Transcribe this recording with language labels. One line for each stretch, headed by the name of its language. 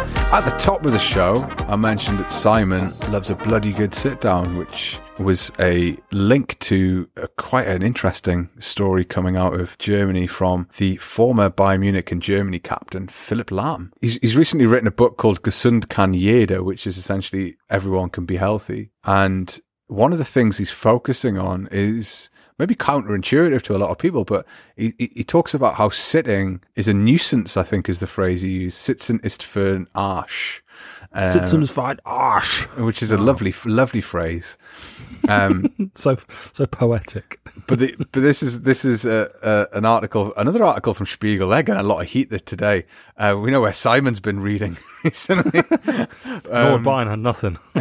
English: At the top of the show, I mentioned that Simon loves a bloody good sit-down, which was a link to quite an interesting story coming out of Germany from the former Bayern Munich and Germany captain, Philipp Lahm. He's recently written a book called Gesund kann jeder, which is essentially Everyone Can Be Healthy. And one of the things he's focusing on is maybe counterintuitive to a lot of people, but he talks about how sitting is a nuisance, I think is the phrase he used.
German: Sitzen ist für ein Arsch. Sitzen ist für ein Arsch.
English: Which is a lovely phrase. so poetic. but this is an article, another article from Spiegel. They're getting a lot of heat today. We know where Simon's been reading recently. Lord Byron had nothing.